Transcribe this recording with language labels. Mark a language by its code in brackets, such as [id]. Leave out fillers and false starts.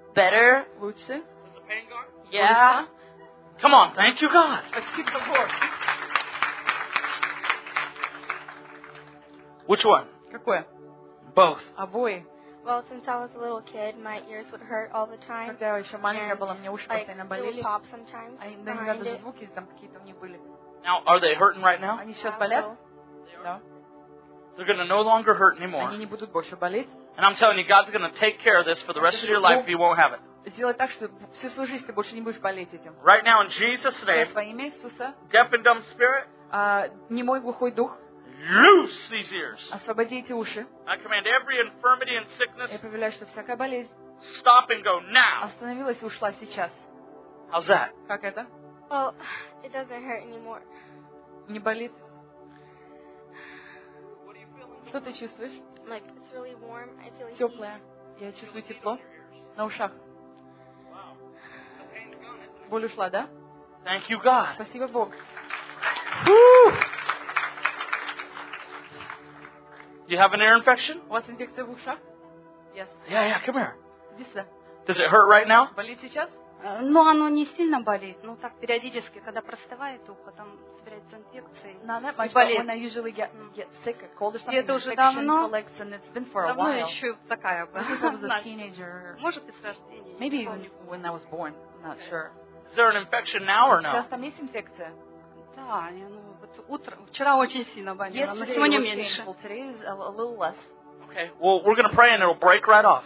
[en] Better. [ru] Лучше. [en] Was the pain gone? Yeah. Come on, thank you, God. Which one? [ru] Какое? [en] Both. [ru] Обои. [en] Well, since I was a little kid, my ears would hurt all the time. [ru] Когда я еще маленькая была, мне уши постоянно болели. [en] Like, it would pop sometimes. [ru] А иногда даже звуки там какие-то мне были. [en] Now, are they hurting right now? [ru] Они сейчас болят? [en] No. They're going to no longer hurt anymore. [ru] Они не будут больше болеть. [en] And I'm telling you, God's going to take care of this for the rest of your life, if you won't have it. [ru] Сделай так, что всю свою жизнь ты больше не будешь болеть этим. [en] Right now, in Jesus' name. [ru] Во имя Иисуса. [en] Deaf and dumb spirit. [ru] Немой глухой дух. [en] Loose these ears. [ru] Освободи эти уши. [en] I command every infirmity and sickness. [ru] Я повелеваю, что всякая болезнь. [en] Stop and go now. [ru] Остановилась и ушла сейчас. [en] How's that? [ru] Как это? [en] Well, it doesn't hurt anymore. [ru] Не болит. [en] What are you feeling? [ru] Что ты чувствуешь? [en] Like it's really warm. I feel like [ru] теплое. Я чувствую тепло на ушах. Боль ушла, да? [en] Thank you, God. [ru] Спасибо, Бог. [en] You have an ear infection? [ru] У вас инфекция в ушах? [en] Yes. Yeah, come here. [ru] Иди сюда. [en] Does it hurt right now? [ru] Болит сейчас? Ну, оно не сильно болит. Ну, так периодически, когда простывает ухо, там собирается инфекция. [en] No, that much, but when I usually get sick, a cold or something, [ru] уже давно, [en] collects, and it's been for a while. [ru] Давно еще такая была. [en] I was a teenager. [ru] Может, и с рождения. [en] Maybe even when I was born. I'm not sure. Is there an infection now or no? [ru] Сейчас там есть инфекция? Да, ну вот утро, вчера очень сильно болела, но сегодня меньше. [en] Today is a little less. Okay, well, we're going to pray and it will break right off.